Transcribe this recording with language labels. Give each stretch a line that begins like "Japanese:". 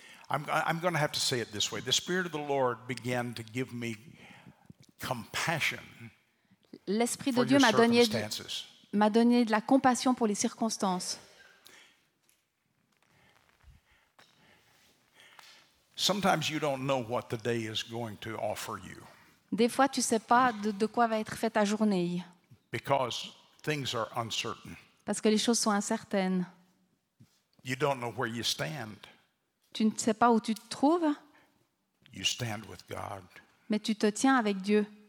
English: I'm going to have to say it this way. The Spirit of the Lord began to give me compassion.
French: L'Esprit de Dieu m'a donné de la compassion pour les circonstances.
English: Sometimes you don't know what the day is going to offer you.
French: Des fois tu sais pas de quoi va être faite ta journée.
English: Because things are uncertain.
French: Parce que les choses sont incertaines.
English: You don't know where you stand.
French: Tu ne sais pas où tu te trouves.
English: You stand with God.
French: Mais tu te tiens avec Dieu.